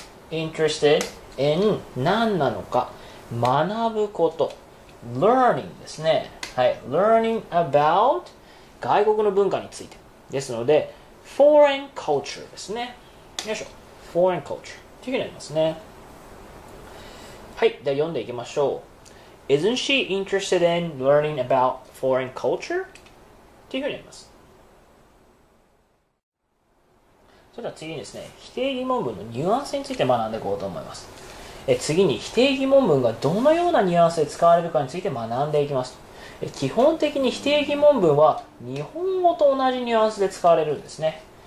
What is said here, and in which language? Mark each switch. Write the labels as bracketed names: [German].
[Japanese] interested in 何なのか、学ぶこと learning ですね。はい、 learning about 外国の文化についてですので foreign culture ですね。よいしょ、 foreign culture っていうふうになりますね。はい、では読んでいきましょう。 [English] Isn't she interested in learning about foreign culture? [Japanese] っていうふうに言います。それでは次にですね、否定疑問文のニュアンスについて学んでいこうと思います。次に否定疑問文がどのようなニュアンスで使われるかについて学んでいきます。基本的に否定疑問文は日本語と同じニュアンスで使われるんですね。